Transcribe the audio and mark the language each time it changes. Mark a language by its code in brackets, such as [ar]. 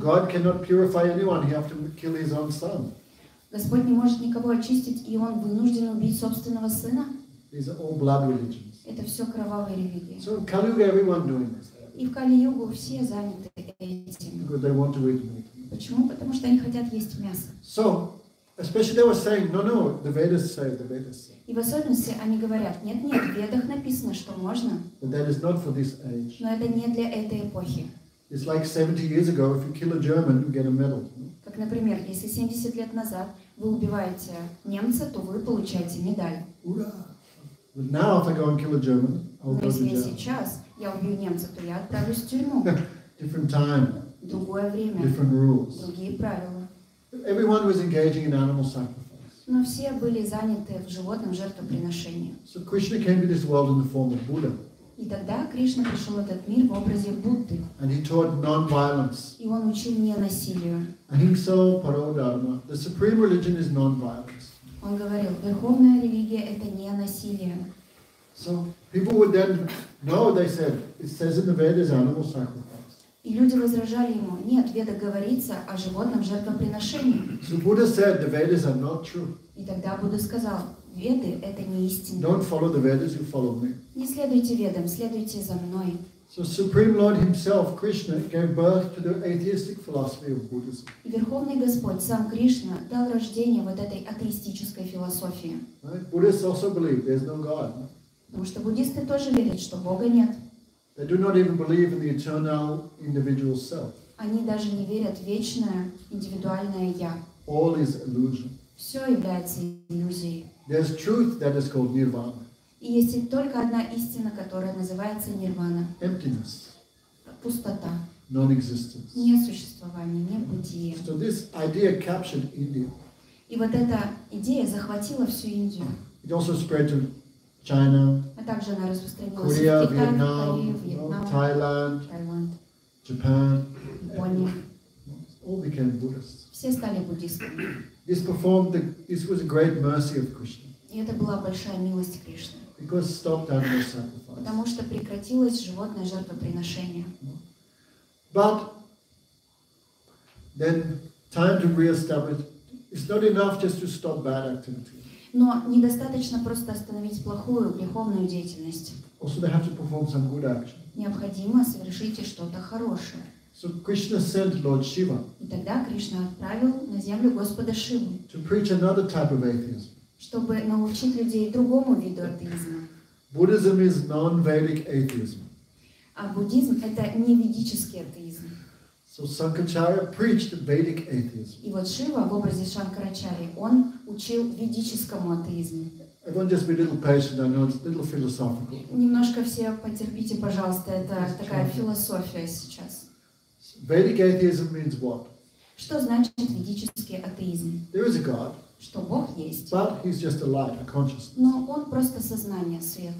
[en] God cannot purify anyone. He have to kill his own son. [ru] Господь не может никого очистить, и он вынужден убить собственного сына. [en] These are all blood religions. [ru] Это все кровавые религии. [en] So in Kali-Yuga, everyone doing this. [ru] И в Кали-Югу все заняты этим. [en] Because they want to eat meat. [ru] Почему? Потому что они хотят есть мясо. [en] So, especially they were saying, no, no, the Vedas say, the Vedas say. [ru] И в особенности они говорят, нет-нет, в Ведах написано, что можно. [en] But that is not for this age. [ru] Но это не для этой эпохи. [en] It's like 70 years ago, if you kill a German, you get a medal. [ru] Как, например, если 70 лет назад вы убиваете немца, то вы получаете медаль. Ура! [en] But now if I go and kill a German, I'll go to jail. [ru] Но если сейчас я убью немца, то я отправлюсь в тюрьму. [en] Different time. [ru] Другое время. [en] Different rules. [ru] Другие правила. [en] Everyone was engaging in animal sacrifice. [ru] Но все были заняты в животном жертвоприношении. [en] So Krishna came to this world in the form of Buddha. [ru] И тогда Кришна пришел в этот мир в образе Будды. [en] And he taught non-violence. [ru] И он учил ненасилию. [sa] Ahimsa Paro Dharma. [en] The supreme religion is non-violence. [ru] Он говорил, верховная религия — это ненасилие. [en] So people would then know, they said, it says in the Vedas, animal sacrifice. [ru] И люди возражали ему, нет, в Ведах говорится о животном жертвоприношении. [en] So Buddha said, the Vedas are not true. [ru] И тогда Будда сказал, Веды — это не истина. [en] Don't follow the Vedas, you follow me. [ru] Не следуйте Ведам, следуйте за мной. [en] So Supreme Lord himself, Krishna, gave birth to the atheistic philosophy of Buddhism. [ru] И Верховный Господь, сам Кришна, дал рождение вот этой атеистической философии. [en] Right? Buddhists also believe there's no God. [ru] Потому что буддисты тоже верят, что Бога нет. [en] They do not even believe in the eternal individual self. [ru] Они даже не верят в вечное индивидуальное Я. [en] All is illusion. [ru] Все является иллюзией. [en] There's truth that is called nirvana. [ru] И есть только одна истина, которая называется нирвана. [en] Emptiness. [ru] Пустота. [en] Non-existence. [ru] Несуществование, небытие. [en] So this idea captured India. [ru] И вот эта идея захватила всю Индию. [en] It also spread to China, Korea, Vietnam, Thailand, Japan, all became Buddhists. [ru] Все стали буддистами. [en] This was a great mercy of Krishna. [ru] И это была большая милость Кришны. [en] Because stopped animal sacrifice. [ru] Потому что прекратилось животное жертвоприношение. [en] But then time to re-establish. It's not enough just to stop bad activity. [ru] Но недостаточно просто остановить плохую, греховную деятельность. [en] Also they have to perform some good action. [ru] Необходимо совершить что-то хорошее. [en] So Krishna sent Lord Shiva. [ru] И тогда Кришна отправил на землю Господа Шиву. [en] To preach another type of atheism. [ru] Чтобы научить людей другому виду атеизма. [en] Buddhism is non-Vedic atheism. [ru] А буддизм — это не ведический атеизм. [en] So Shankaracharya preached Vedic atheism. [ru] И вот Шива в образе Шанкарачари, он учил ведическому атеизму. [en] Everyone just be a little patient, I know it's a little philosophical. [ru] Немножко все потерпите, пожалуйста, это такая философия сейчас. [en] Vedic atheism means what? [ru] Что значит ведический атеизм? [en] There is a God. [ru] Что Бог есть. [en] But he's just a light, a consciousness. Но он просто сознание, свет.